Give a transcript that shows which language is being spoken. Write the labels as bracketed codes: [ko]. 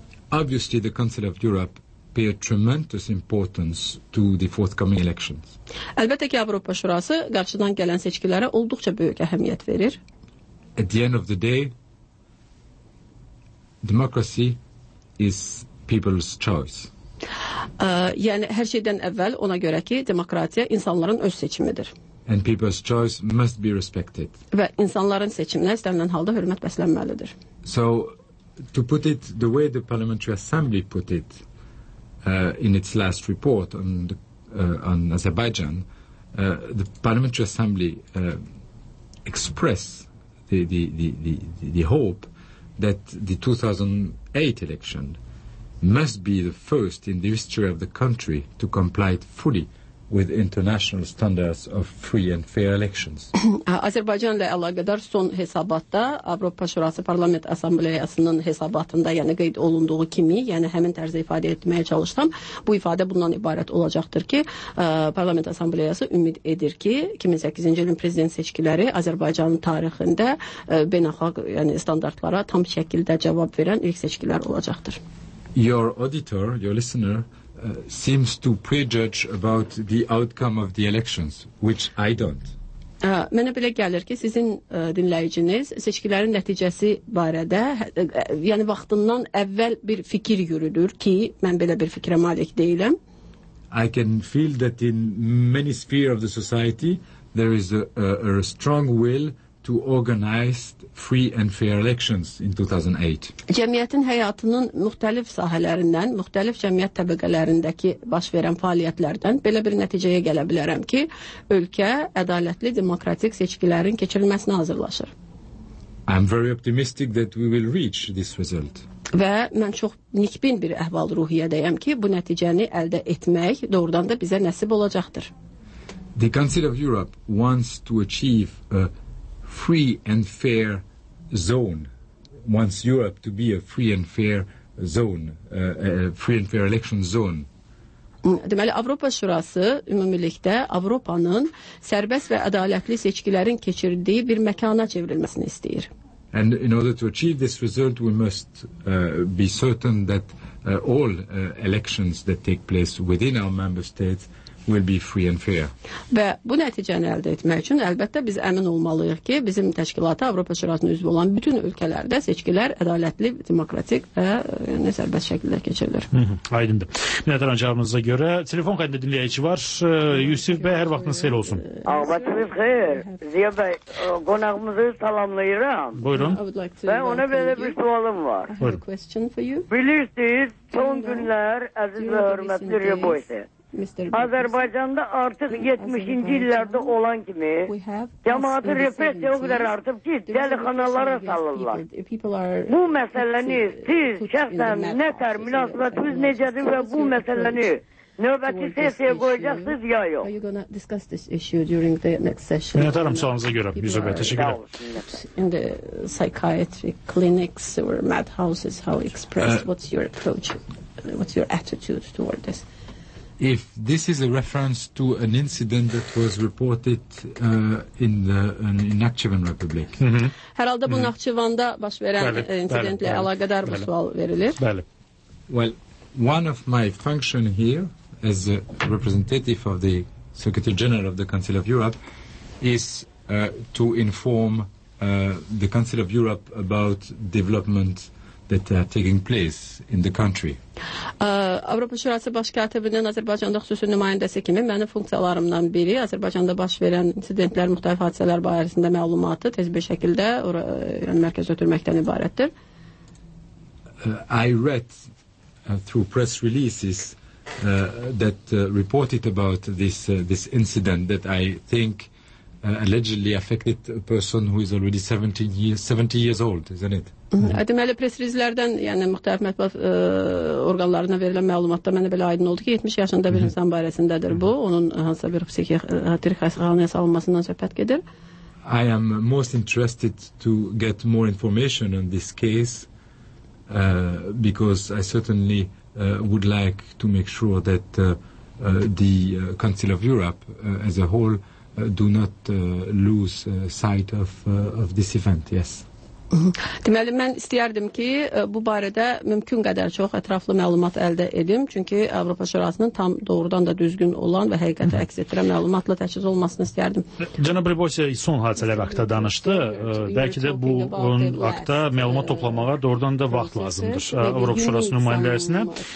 [en] Obviously, the Council of Europe pay a tremendous importance to the forthcoming elections. [az] Əlbəttə ki, Avropa Şurası qarşıdan gələn seçkilərə olduqca böyük əhəmiyyət verir. [en] At the end of the day, democracy is people's choice. [az] Yani her şeyden evvel ona göre ki demokrasi insanların öz seçimidir. [en] And people's choice must be respected. [az] Ve insanların seçimine istenilen halde hürmet beslenmelidir. [en] So to put it the way the Parliamentary Assembly put it in its last report on the, on Azerbaijan, the Parliamentary Assembly expressed the hope that the 2008 election must be the first in the history of the country to comply fully with international standards of free and fair elections. [az] Azərbaycanla əlaqədar son hesabatda Avropa Şurası Parlament Assambleyasının hesabatında yəni qeyd olunduğu kimi, yəni həmin tərzə ifadə etməyə çalışsam, bu ifadə bundan ibarət olacaqdır ki, Parlament Assambleyası ümid edir ki, 2008-ci ilin prezident seçkiləri Azərbaycanın tarixində beynəlxalq yəni standartlara tam şəkildə cavab verən ilk seçkilər olacaqdır. [en] Your auditor, your listener seems to prejudge about the outcome of the elections, which I don't. [az] Mənə belə gəlir ki, sizin dinləyiciniz seçkilərin nəticəsi barədə yəni vaxtından əvvəl bir fikir yürüdür ki, mən belə bir fikrə malik deyiləm. [en] I can feel that in many spheres of the society there is a strong will to organize free and fair elections in 2008. [az] Cəmiyyətin həyatının müxtəlif sahələrindən, müxtəlif cəmiyyət təbəqələrindəki baş verən fəaliyyətlərdən belə bir nəticəyə gələ bilərəm ki, ölkə ədalətli demokratik seçkilərin keçirilməsinə hazırlaşır. [en] I'm very optimistic that we will reach this result. [az] Və mən çox nikbin bir əhval ruhiyyədəyəm ki, bu nəticəni əldə etmək doğrudan da bizə nəsib olacaqdır. [en] The Council of Europe wants to achieve a free and fair zone, wants Europe to be a free and fair zone, a free and fair election zone. [az] Deməli, Avropa Şurası ümumilikdə Avropanın sərbəst və ədalətli seçkilərin keçirdiyi bir məkana çevrilməsini istəyir. [en] And in order to achieve this result, we must be certain that all elections that take place within our member states will be free and fair. [az] Və bu nəticəni əldə etmək üçün əlbəttə biz əmin olmalıyıq ki, bizim təşkilata Avropa Şurasının üzvü olan bütün ölkələrdə seçkilər ədalətli, demokratik və yəni sərbəst şəkildə keçirilir. Aydındır. Minnətdaram cavabınıza görə. Telefon xəttində dinləyici var. Yusif bəy, hər vaxtınız xeyir olsun. Ağbatınız xeyir. Ziya bəy, qonağımızı salamlayıram. Buyurun. Mən ona belə bir sualım var. Buyurun. [en] Question for you. [az] Bilirsiniz, son günlər əziz və hörmətli reporter. Azərbaycanda artıq 70-ci illərdə olan kimi cəmaatı repressiya o qədər artıb ki, dəlixanalara salırlar. Bu məsələni siz şəxsən nə tər münasibətiniz necədir və bu məsələni növbəti sesiyaya qoyacaqsınız ya yox? [en] Are you going to discuss this issue during the next session? [az] Minnətdaram sualınıza görə, Yusuf bəy, [tr] teşekkür ederim. [en] In the psychiatric clinics or madhouses, how expressed, what's your approach, what's your attitude toward this? If this is a reference to an incident that was reported in Nakhchivan Republic. [az] Hər halda bu Nakhchivan'da baş verən incidentlə əlaqədar bu sual verilir. Bəli. [en] Well, one of my function here as a representative of the Secretary General of the Council of Europe is to inform the Council of Europe about development that are taking place in the country. [az] Avropa Şurası Başkatibinin Azərbaycanda xüsusi nümayəndəsi kimi mənim funksiyalarımdan biri Azərbaycanda baş verən insidentlər, müxtəlif hadisələr barəsində məlumatı tez bir şəkildə mərkəz ötürməkdən ibarətdir. [en] I read through press releases that reported about this this incident that I think allegedly affected a person who is already 70 years old, isn't it? [az] Deməli, press release-lərdən, yəni müxtəlif mətbuat orqanlarına verilən məlumatda mənə belə aydın oldu ki, 70 yaşında bir insan barəsindədir bu. Onun hansısa bir psixiatri xəstəxanaya salınmasından söhbət gedir. [en] I am most interested to get more information on this case because I certainly would like to make sure that the Council of Europe as a whole do not lose sight of this event. Yes. [az] Deməli, mən istəyərdim ki, bu barədə mümkün qədər çox ətraflı məlumat əldə edim. Çünki Avropa Şurasının tam doğrudan da düzgün olan və həqiqətə əks etdirən məlumatla təchiz olmasını istəyərdim. Cənab Ribosi son hadisələr haqqında danışdı. Bəlkə də bu haqqında məlumat toplamağa doğrudan da vaxt lazımdır Avropa Şurası nümayəndəsinə.